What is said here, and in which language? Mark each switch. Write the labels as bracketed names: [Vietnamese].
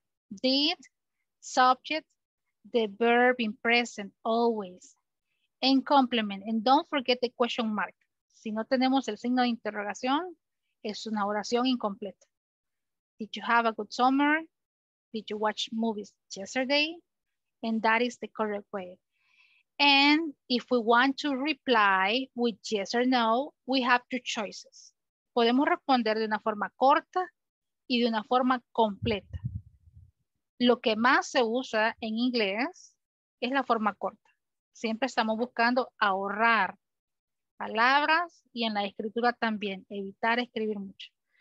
[English] Did, subject, the verb in present, always, and complement, and don't forget the question mark. [Spanish] Si no tenemos el signo de interrogación, es una oración incompleta. [English] Did you have a good summer? Did you watch movies yesterday? And that is the correct way. And if we want to reply with yes or no, we have two choices. [Spanish] Podemos responder de una forma corta y de una forma completa. Lo que más se usa en inglés es la forma corta. Siempre estamos buscando ahorrar palabras y en la escritura también, evitar escribir mucho.